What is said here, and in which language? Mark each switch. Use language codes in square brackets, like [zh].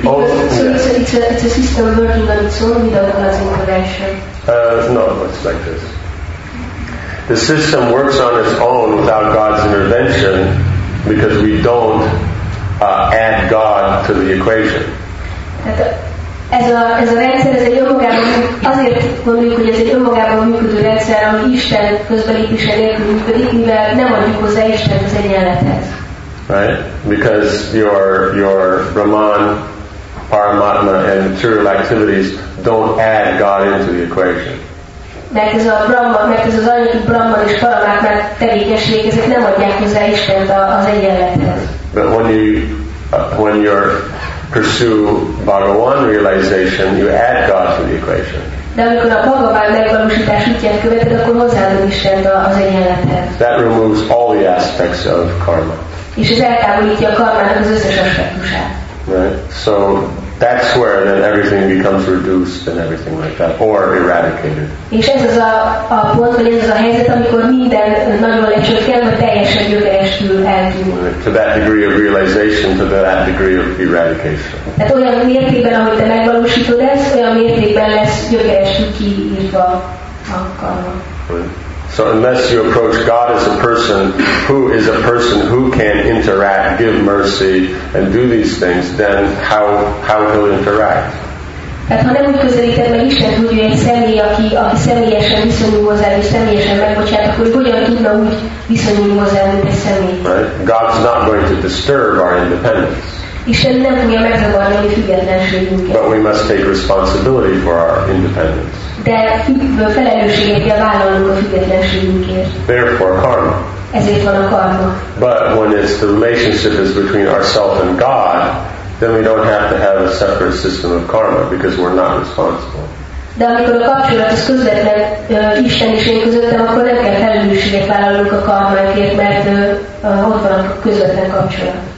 [en] it's a system working on its own without God's intervention. No, it's like this. The system works on its own without God's intervention because we don't add God to the equation. [hu] Ez a rendszer, ez egy önmagában, azért gondoljuk, hogy ez egy önmagában működő rendszer, ami Isten közbelépése nélkül működik, mivel nem adjuk hozzá Istent az egyenlethez. [en] Right? Because your Brahman, Paramatma and material activities don't add God into the equation. [hu] Mert ez a Brahma, mert ez az anyagi Brahma és Paramatma tevékenység, ezek nem adják hozzá Istent az egyenlethez. [en] But when you pursue Bhagavan realization, you add God to the equation. [hu] De amikor a Bhagavan megvalósítás útját követed, akkor hozzáadod Istent az egyenlethez. [en] That removes all the aspects of karma. [hu] És ez eltávolítja a karmának az összes aspektusát. [en] Right. So that's where then everything becomes reduced and everything like that, or eradicated. [hu] És ez az a pont, vagy ez az a helyzet, amikor minden nagyon lecsökken, vagy teljesen gyökerestül eltűnik. [en] To that degree of realization, to that degree of eradication. [hu] Tehát olyan mértékben, ahogy te megvalósítod ezt, olyan mértékben lesz gyökerestül kiírva a karma. [en] So unless you approach God as a person who is a person who can interact, give mercy and do these things, then how he'll interact? [hu] Tehát ha nem úgy közelíted meg Isten, hogy ő egy személy, aki személyesen viszonyul hozzá, és személyesen megbocsát, akkor hogyan tudna úgy viszonyulni hozzá, mint egy személy? [en] Right? God's not going to disturb our independence. [hu] Isten nem fogja megzavarni a mi függetlenségünket. [en] But we must take responsibility for our independence. [hu] De felelősséget kell vállalnunk a függetlenségünkért. [en] Therefore, karma. [hu] Ezért van a karma. [en] But when it's the relationship is between ourselves and God, then we don't have to have a separate system of karma because we're not responsible. [hu] De amikor a kapcsolat az közvetlen Isten és én közöttem, akkor nem kell felelősséget vállalnunk a karmánkért, mert ott van a közvetlen kapcsolat.